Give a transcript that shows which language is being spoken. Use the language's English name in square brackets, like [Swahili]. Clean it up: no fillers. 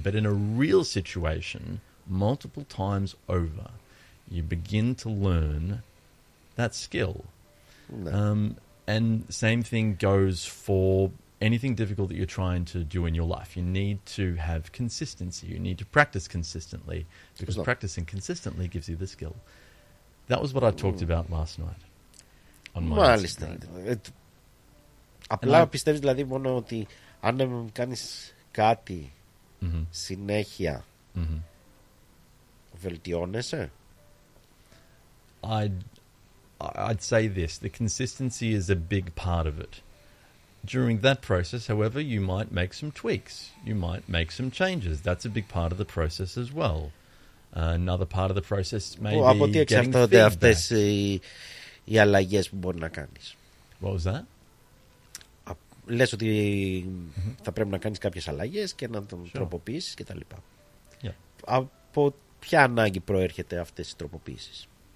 [English] But in a real situation, multiple times over, you begin to learn that skill. No. And same thing goes for anything difficult that you're trying to do in your life. You need to have consistency. You need to practice consistently, because practicing consistently gives you the skill. That was what I talked about last night. On my [Greek] Μάλιστα. Απλά πιστεύεις δηλαδή μόνο ότι αν κάνεις κάτι συνέχεια, βελτιώνεσαι. [English] I'd say this. The consistency is a big part of it. During that process, however, you might make some tweaks. You might make some changes. That's a big part of the process as well. Another part of the process may be getting feedback. [Greek] Από τι εξαρτώνται αυτές οι αλλαγές που μπορεί να κάνεις. [English] What was that? [Greek] Λες ότι θα πρέπει να κάνεις κάποιες αλλαγές και να τον τροποποιήσεις και τα λοιπά. [English] Yeah. [Greek] Από ποια ανάγκη προέρχεται αυτές οι τροποποιήσεις.